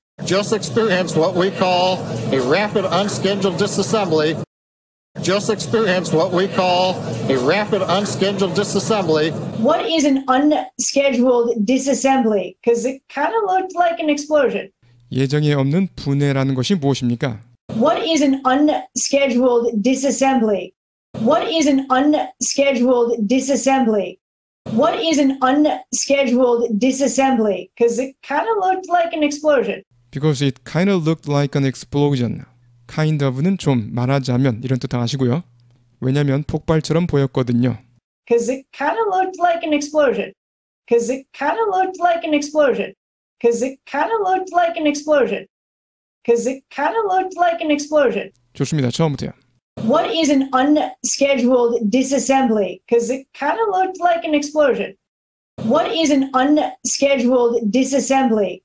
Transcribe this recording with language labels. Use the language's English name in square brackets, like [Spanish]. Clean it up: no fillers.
[English] Just experienced what we call a rapid unscheduled disassembly. Just experienced what we call a rapid unscheduled disassembly. What is an unscheduled disassembly? Because it kind of looked like an explosion. [Korean] 예정에 없는 분해라는 것이 무엇입니까? [English] What is an unscheduled disassembly? What is an unscheduled disassembly? What is an unscheduled disassembly? Because it kind of looked like an explosion. Because it kind of looked like an explosion. [Korean] Kind of는 좀 말하자면 이런 뜻 하시고요. 왜냐면 폭발처럼 보였거든요. [English] Because it kind of looked like an explosion. Because it kind of looked like an explosion. Because it kind of looked like an explosion. Because it kind of looked like an explosion. [Korean] 좋습니다. 처음부터요. [English] What is an unscheduled disassembly? Because it kind of looked like an explosion. What is an unscheduled disassembly?